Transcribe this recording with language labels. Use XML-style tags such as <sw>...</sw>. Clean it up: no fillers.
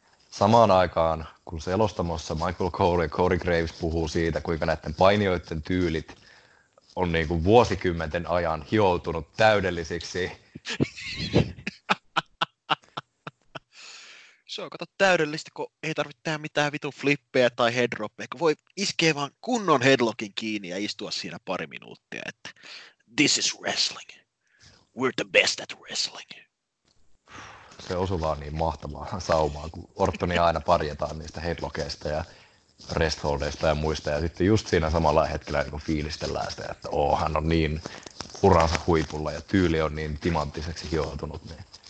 <fi>Samaan aikaan, kun selostamossa Michael Cole ja Corey Graves puhuu siitä, kuinka näiden painijoiden tyylit on niin kuin vuosikymmenten ajan hioutunut täydellisiksi. Se on kato täydellistä, kun ei tarvitse tehdä mitään vitun flippejä tai headroppeja, kun voi iskeä vaan kunnon headlockin kiinni ja istua siinä pari minuuttia, että</fi> <en>this is wrestling. We're the best at wrestling.</en> <fi>Se osuu vaan niin mahtavaa saumaa, kun Ortonia aina parjetaan niistä headlockeista ja rest holdeista ja muista, ja sitten just siinä samalla hetkellä niin fiilistellään sitä, että oo, hän on niin uransa huipulla ja tyyli on niin timanttiseksi hioutunut, niin</fi>